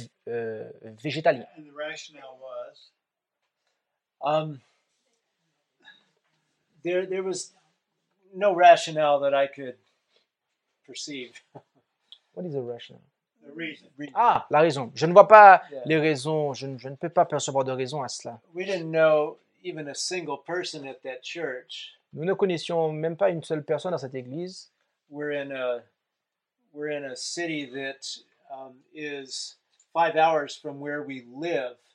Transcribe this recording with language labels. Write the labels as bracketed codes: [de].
[fr] Végétaliens. [en] And the rationale was, there was no rationale that I could perceive. What is the rationale? The reason. [fr] Ah, la raison. Je ne vois pas les raisons. Je ne peux pas percevoir de raison à cela. [en] We didn't know even a single person at that church. [fr] Nous ne connaissions même pas une seule personne à cette église. [en] We're in a city that is 5 hours from where we live.